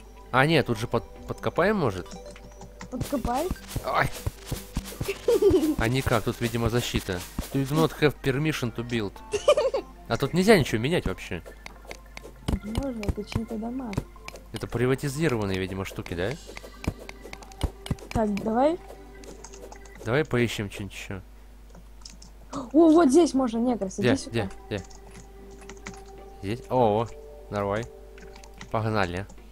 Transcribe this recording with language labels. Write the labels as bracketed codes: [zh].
[ru] А, нет, тут же подкопаем, может? Подкопай. А никак, тут, видимо, защита. [en] Do not have permission to build. [ru] А тут нельзя ничего менять вообще. Можно, это чьи-то дома. Это приватизированные, видимо, штуки, да? Так, давай. Давай поищем что-нибудь еще. О, вот здесь можно, негр, садись. Где, сюда. Где? Здесь? О, нарвай. Погнали.